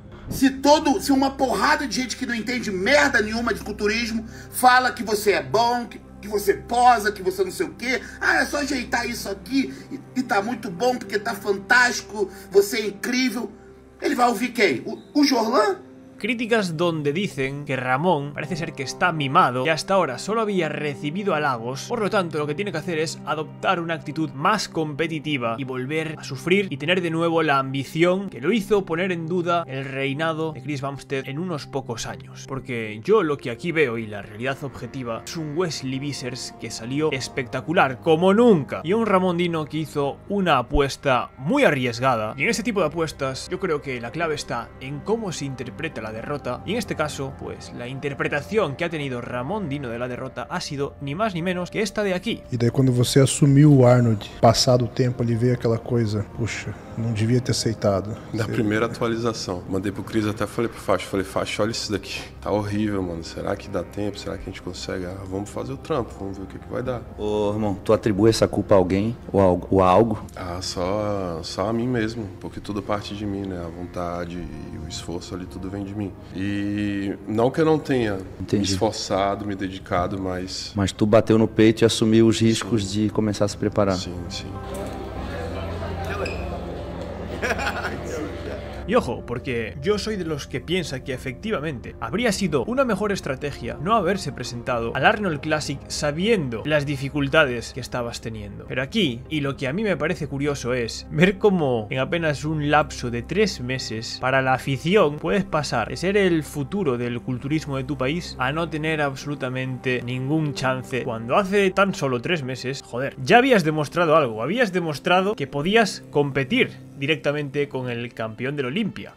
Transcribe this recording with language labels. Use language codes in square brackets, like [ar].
[pt] Se uma porrada de gente que não entende merda nenhuma de culturismo fala que você é bom, que você posa, que você não sei o quê, ah, é só ajeitar isso aqui e tá muito bom porque tá fantástico, você é incrível, ele vai ouvir quem? O Jorlan? [es] Críticas donde dicen que Ramón parece ser que está mimado y hasta ahora solo había recibido halagos, por lo tanto lo que tiene que hacer es adoptar una actitud más competitiva y volver a sufrir y tener de nuevo la ambición que lo hizo poner en duda el reinado de Chris Bumstead en unos pocos años. Porque yo lo que aquí veo y la realidad objetiva es un Wesley Vissers que salió espectacular, como nunca, y un Ramón Dino que hizo una apuesta muy arriesgada. Y en ese tipo de apuestas yo creo que la clave está en cómo se interpreta la derrota, y en este caso, pues la interpretación que ha tenido Ramón Dino de la derrota ha sido ni más ni menos que esta de aquí. Y de cuando [pt] você asumió o Arnold, pasado o tempo, ele veio aquela coisa, puxa, não devia ter aceitado. Da primeira atualização, mandei pro Chris, até falei pro Facho, olha isso daqui, tá horrível, mano, será que dá tempo, será que a gente consegue, ah, vamos fazer o trampo, vamos ver o que que vai dar. Ô, irmão, tu atribui essa culpa a alguém, ou a algo? Ah, só a mim mesmo, porque tudo parte de mim, né, a vontade e o esforço ali, tudo vem de mim. E não que eu não tenha me esforçado, me dedicado, mas... Mas tu bateu no peito e assumiu os riscos, sim, de começar a se preparar. Sim, sim. [es] Y ojo, porque yo soy de los que piensa que efectivamente habría sido una mejor estrategia no haberse presentado al Arnold Classic sabiendo las dificultades que estabas teniendo. Pero aquí, y lo que a mí me parece curioso es ver cómo en apenas un lapso de 3 meses para la afición puedes pasar de ser el futuro del culturismo de tu país a no tener absolutamente ningún chance cuando hace tan solo 3 meses, joder, ya habías demostrado algo, habías demostrado que podías competir directamente con el campeón del Olimpia.